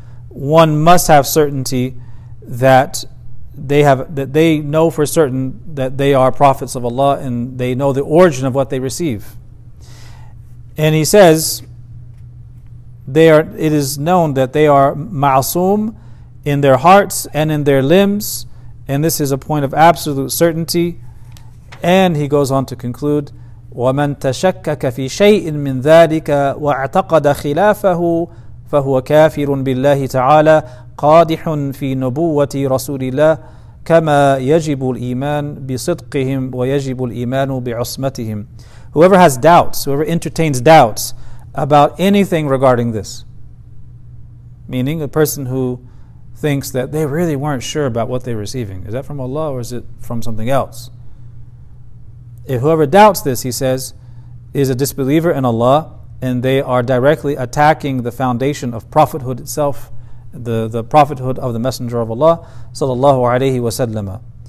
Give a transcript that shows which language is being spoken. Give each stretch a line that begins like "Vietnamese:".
English: One must have certainty that they know for certain that they are prophets of Allah, and they know the origin of what they receive. And he says it is known that they are ma'asum in their hearts and in their limbs, and this is a point of absolute certainty. And he goes on to conclude,
Arabic: وَمَنْ تَشَكَّكَ فِي شَيْءٍ مِّن ذَٰلِكَ وَاَعْتَقَدَ خِلَافَهُ فَهُوَ كَافِرٌ بِاللَّهِ تَعَالَى قَادِحٌ فِي نُبُوَّةِ رَسُولِ اللَّهِ كَمَا يَجِبُ الْإِيمَانُ بِصِدْقِهِمْ وَيَجِبُ الْإِيمَانُ بِعُصْمَتِهِمْ.
English: Whoever has doubts, whoever entertains doubts about anything regarding this, meaning a person who thinks that they really weren't sure about what they're receiving, is that from Allah or is it from something else? If whoever doubts this, he says, is a disbeliever in Allah, and they are directly attacking the foundation of prophethood itself, the prophethood of the Messenger of Allah, sallallahu alayhi wa sallam.